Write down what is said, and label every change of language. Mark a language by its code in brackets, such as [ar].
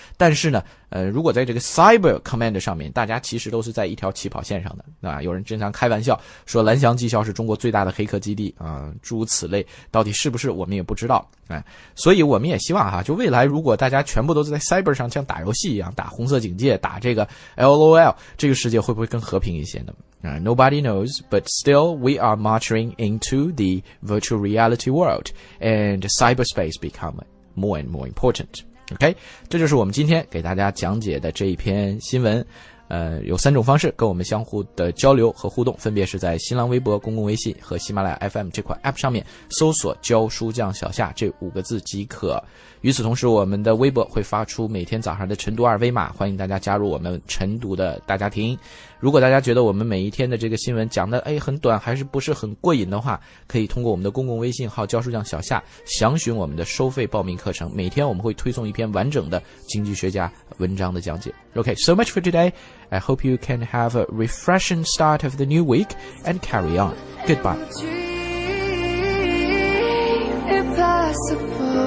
[zh] 但是呢，如果在这个 Cyber Command 上面，大家其实都是在一条起跑线上的，对吧？有人经常开玩笑说蓝翔技校是中国最大的黑客基地啊，诸如此类，到底是不是我们也不知道，所以我们也希望哈，就未来如果大家全部都在 Cyber 上像打游戏一样打红色警戒，打这个 LOL， 这个世界会不会更和平一些呢？ [en] Nobody knows, but still we are marching into the virtual reality world, and cyberspace become more and more important. [zh] Okay, 这就是我们今天给大家讲解的这一篇新闻。有三种方式跟我们相互的交流和互动，分别是在新浪微博、公共微信和喜马拉雅 FM 这款 APP 上面搜索教书匠小夏这五个字即可。与此同时，我们的微博会发出每天早上的晨读二维码，欢迎大家加入我们晨读的大家庭。如果大家觉得我们每一天的这个新闻讲的很短，还是不是很过瘾的话，可以通过我们的公共微信号教书匠小夏详询我们的收费报名课程，每天我们会推送一篇完整的经济学家文章的讲解。 [en] OK, so much for today. I hope you can have a refreshing start of the new week and carry on. Goodbye.